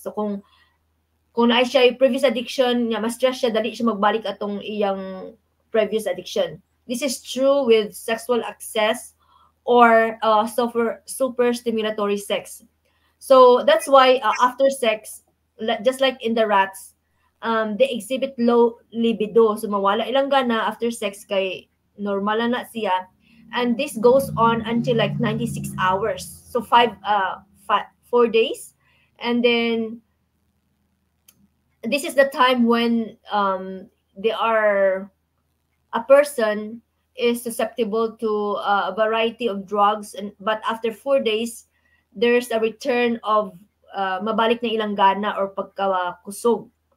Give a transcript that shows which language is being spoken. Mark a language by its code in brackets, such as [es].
[ceb] So kung naay siya previous addiction, nga ma-stress siya, dali siya magbalik atong iyang previous addiction. [en] This is true with sexual access or super stimulatory sex. So that's why after sex, just like in the rats, they exhibit low libido. [ceb] So mawala ilang gana after sex kay normal na siya. [en] And this goes on until like 96 hours. So four days. And then this is the time when they are a person is susceptible to a variety of drugs, but after 4 days, there's a return of [ceb] mabalik na ilang gana or pagkakusog.